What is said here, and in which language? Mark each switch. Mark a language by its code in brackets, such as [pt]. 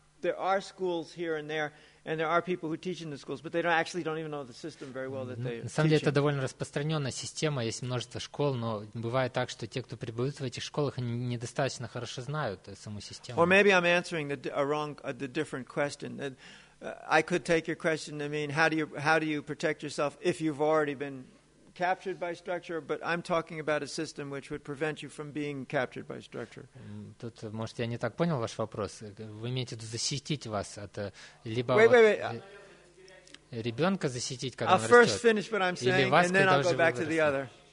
[en] There are schools here and there, and there are people who teach in the schools, but they don't even know the system very well that they [ru] На самом деле, это довольно распространенная система, есть множество школ, но бывает так, что те, кто прибывают в этих школах, они недостаточно хорошо знают саму систему. [en] Or maybe I'm answering the different question. I could take your question to mean how do you protect yourself if you've already been captured by structure, but I'm talking about a system which would prevent you from being captured by structure. [ru] Тут, может, я не так понял ваш вопрос. Вы имеете в виду защитить вас от либо ребенка защитить, когда он растет? [en] I'll first finish what I'm saying, and then I'll go back to the other.